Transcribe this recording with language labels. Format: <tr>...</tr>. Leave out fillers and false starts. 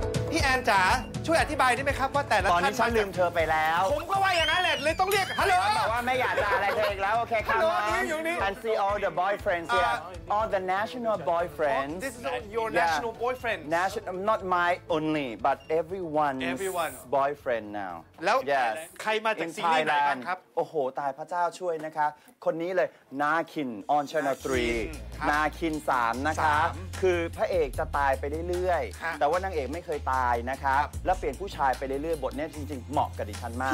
<th>พี่แอนจ๋าช่วยอธิบายได้ไหมครับว่าแต่ละ ตอนนี้ฉันลืมเธอไปแล้ว ผมก็ว่าอย่างนั้นแหละ็ดเลยต้องเรียกฮัลโหล บอกว่าไม่อยากจะอะไรเธออีกแล้วโอเคครับ ฮัลโหลนี่อยู่นี่</th> <en>and see all the boyfriends here all the national boyfriends this is your national boyfriend national not my only but everyone's boyfriend now</en> <th>แล้วใครมาจากซีรีส์ไหนบ้างครับ โอ้โหตายพระเจ้าช่วยนะคะคนนี้เลยนาคิน on channel 3นาคิน3นะคะคือพระเอกจะตายไปเรื่อยๆแต่ว่านางเอกไม่เคยตายนะคะแล้วเปลี่ยนผู้ชายไปเรื่อยๆบทนี้จริงๆเหมาะกับดิฉันมาก</th>